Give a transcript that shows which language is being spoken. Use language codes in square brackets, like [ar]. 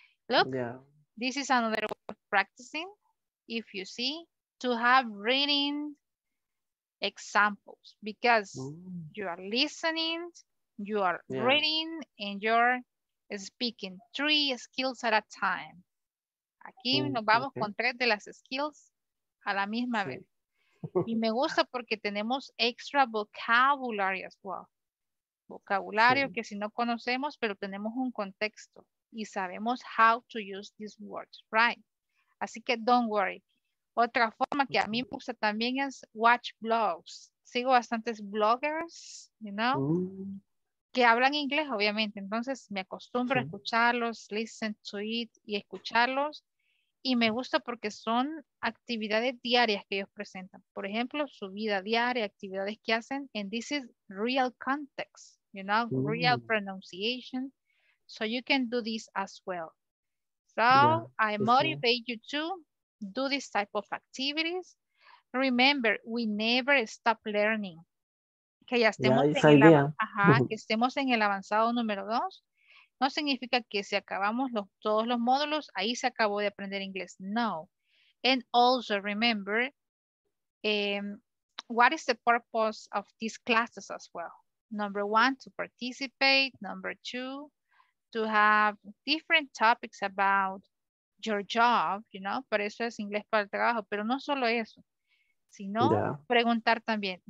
[en] Look, this is another way of practicing, if you see, to have reading examples, because you are listening, you are reading, and you're speaking, three skills at a time. [es] Aquí nos vamos con tres de las skills a la misma vez. Y me gusta porque tenemos [en] extra vocabulary as well. [es] Vocabulario que si no conocemos, pero tenemos un contexto. Y sabemos [en] how to use these words, right? [es] Así que [en] don't worry. [es] Otra forma que a mí me gusta también es [en] watch blogs. [es] Sigo bastantes bloggers, [en] you know, [es] que hablan inglés, obviamente. Entonces me acostumbro a escucharlos, [en] listen to it [es] y escucharlos. Y me gusta porque son actividades diarias que ellos presentan. Por ejemplo, su vida diaria, actividades que hacen. [en] And this is real context, you know, real pronunciation. So you can do this as well. So I motivate you to do this type of activities. Remember, we never stop learning. [es] Que ya estemos, que estemos en el avanzado número dos. No significa que si acabamos todos los módulos, ahí se acabó de aprender inglés. No. [en] And also remember, what is the purpose of these classes as well? Number one, to participate. Number two, to have different topics about your job, you know? [es] Pero eso es inglés para el trabajo. Pero no solo eso, sino preguntar también.